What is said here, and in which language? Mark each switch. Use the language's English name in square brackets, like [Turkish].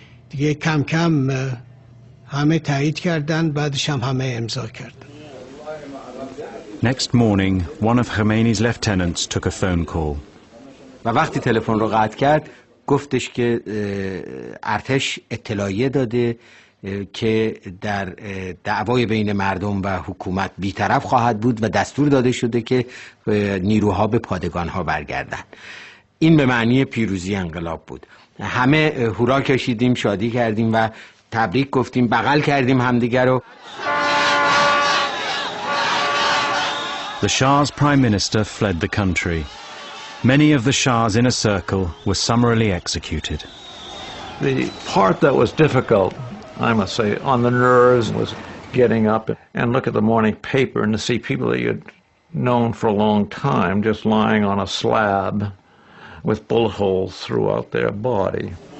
[Persian] دیگه کم کم همه تایید کردن، بعدش هم همه امضا کردن. [English] Next morning, one of Khomeini's lieutenants took a phone call. [Persian] و وقتی تلفن رو قطع کرد، گفتش که ارتش اطلاعیه داده که در دعوای بین مردم و حکومت بی‌طرف خواهد بود و دستور داده شده که نیروها به پادگان‌ها برگردند. این به معنی پیروزی انقلاب بود. همه هورا کشیدیم، شادی کردیم و تبریک گفتیم، بغل کردیم همدیگر رو. [English] The Shah's prime minister fled the country. Many of the Shah's inner circle were summarily executed. The part that was difficult, I must say, on the nerves was getting up and look at the morning paper and to see people that you'd known for a long time just lying on a slab with bullet holes throughout their body.